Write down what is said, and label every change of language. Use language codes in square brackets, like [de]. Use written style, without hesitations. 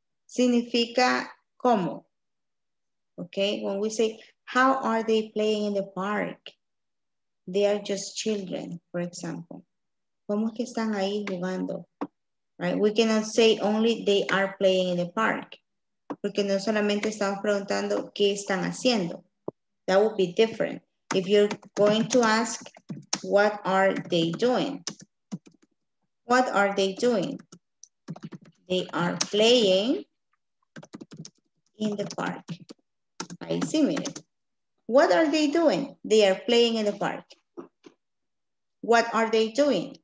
[es] Significa cómo. [en] Okay, when we say, how are they playing in the park? They are just children, for example. [es] ¿Cómo que están ahí jugando? [en] Right, we cannot say only they are playing in the park. [es] Porque no solamente estamos preguntando qué están haciendo. [en] That would be different. If you're going to ask, what are they doing? What are they doing? They are playing in the park. I see me. What are they doing? They are playing in the park. What are they doing?